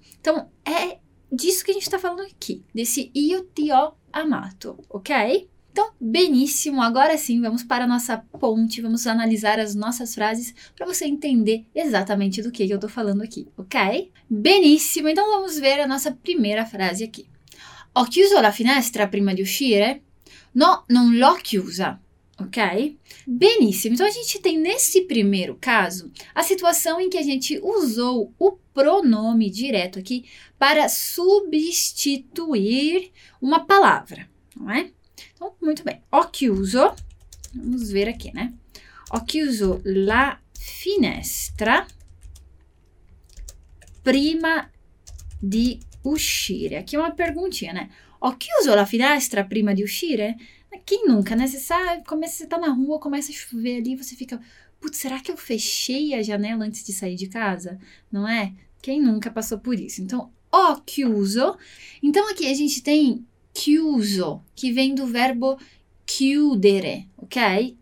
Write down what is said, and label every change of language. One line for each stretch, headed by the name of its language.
Portuguese: Então, é disso que a gente está falando aqui, desse
Italian: io ti ho amato,
Portuguese: ok? Então, beníssimo, agora sim, vamos para a nossa ponte, vamos analisar as nossas frases para você entender exatamente do que eu estou falando aqui, ok? Beníssimo, então vamos ver a nossa primeira frase aqui.
Italian: Ho chiuso la finestra prima di uscire? No, non l'ho chiusa, ok?
Portuguese: Beníssimo, então a gente tem nesse primeiro caso a situação em que a gente usou o pronome direto aqui para substituir uma palavra, não é? Então, muito bem.
Italian: Ho chiuso,
Portuguese: vamos ver aqui, né?
Italian: Ho chiuso la finestra prima di uscire.
Portuguese: Aqui é uma perguntinha, né?
Italian: Ho chiuso la finestra prima di uscire?
Portuguese: Quem nunca, né? Você tá na rua, começa a chover ali, você fica, putz, será que eu fechei a janela antes de sair de casa? Não é? Quem nunca passou por isso? Então, ho chiuso. Então, aqui a gente tem chiuso, que vem do verbo chiudere, ok?